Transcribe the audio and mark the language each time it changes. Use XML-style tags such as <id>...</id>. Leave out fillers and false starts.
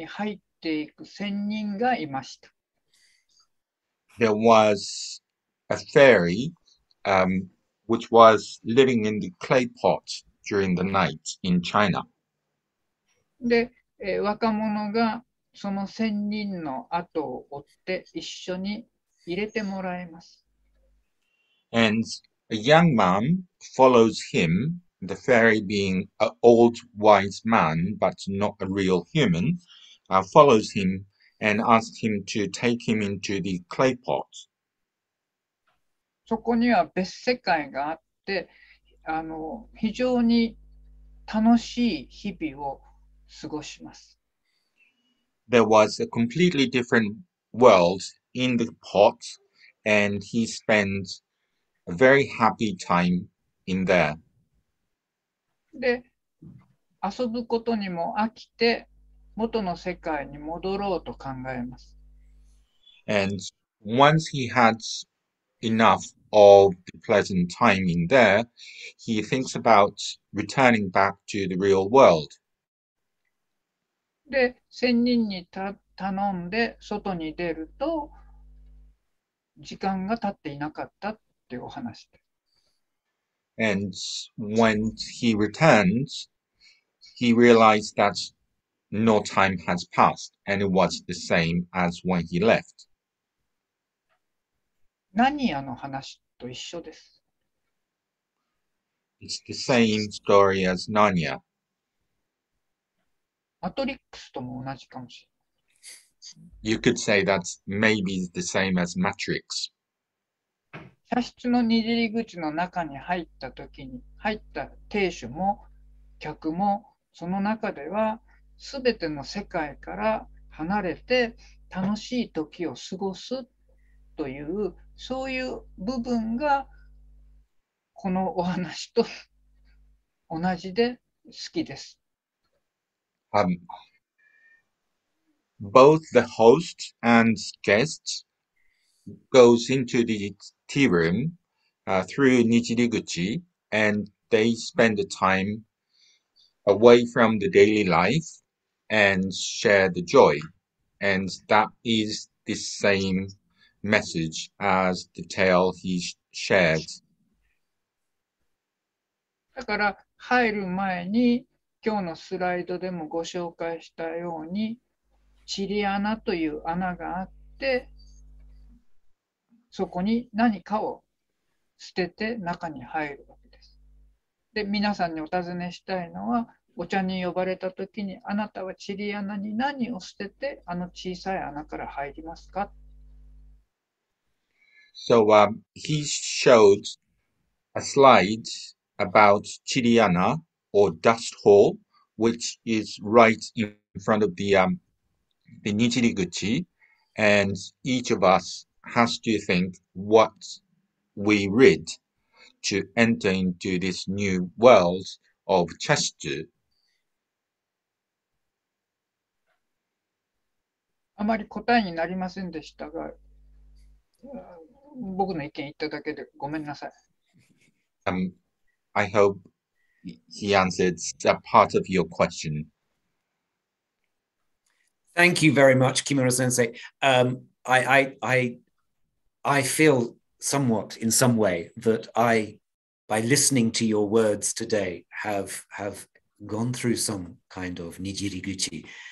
<ja>中国の町で、夜、壺の中に入っていく仙人がいました。</ja> <en>There was a fairy, which was living in the clay pot during the night in China. で、</en> <ja>若者がその仙人の後を追って一緒に入れてもらえます。</ja> <en>And a young man follows him, the fairy being an old wise man, but not a real human, follows him and asks him to take him into the clay pot.</en> <ja>そこには別世界があって、非常に楽しい日々を過ごします。</ja> <en>There was a completely different world in the pot, and he spent a very happy time in there.</en> <ja>で、遊ぶことにも飽きて、元の世界に戻ろうと考えます。</ja> <en>And once he had enough of the pleasant time in there, he thinks about returning back to the real world.</en> <ja>で、仙人に頼んで外に出ると、時間が経っていなかったっていうお話で。</ja> <en>And when he returns, he realized that no time has passed, and it was the same as when he left.</en> <ja>何やの話と一緒です。</ja> <en>It's the same story as Narnia.</en> <ja>マトリックスとも同じかもしれない。</ja> <en>You could say that's maybe the same as Matrix.</en> <ja>茶室の二入り口の中に入った時に、入った亭主も客も、その中では全ての世界から離れて楽しい時を過ごすという、そういう部分がこのお話と同じで好きです。</ja> <en>Both the host and guests goes into the tea room through Nichiriguchi and they spend the time away from the daily life and share the joy. And that is the same message as the tale he shared.</en> <ja>だから入る前に今日のスライドでもご紹介したようにチリ穴という穴があって、そこに何かを捨てて中に入るわけです。で、皆さんにお尋ねしたいのは、お茶に呼ばれたときに、あなたはチリ穴に何を捨てて、あの小さい穴から入りますか？</ja> <en>So, he showed a slide about チリ穴 or dust hole, which is right in front of the Nichiriguchi, and each of us has to think what we read to enter into this new world of chashitsu.</en> <ja>あまり答えになりませんでしたが、僕の意見言っただけでごめんなさい。</ja> <en>I hope he answered a part of your question. Thank you very much, Kimura Sensei. I feel somewhat, in some way, that I, by listening to your words today, have gone through some kind of nijiriguchi.</en>